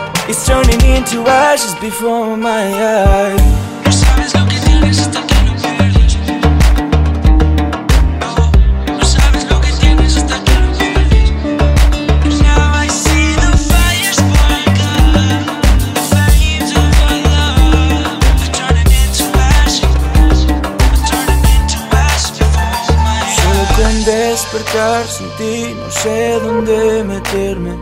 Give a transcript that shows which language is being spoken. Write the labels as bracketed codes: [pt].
[en] It's turning into ashes before my eyes. [es] No sabes lo que tienes hasta que lo pierdes. No, no sabes lo que tienes hasta que lo pierdes. [en] And now I see the fire sparkle. The flames of my love are turning into ashes. I'm turning into ashes before my eyes. [es] Solo con despertar sin ti no sé dónde meterme.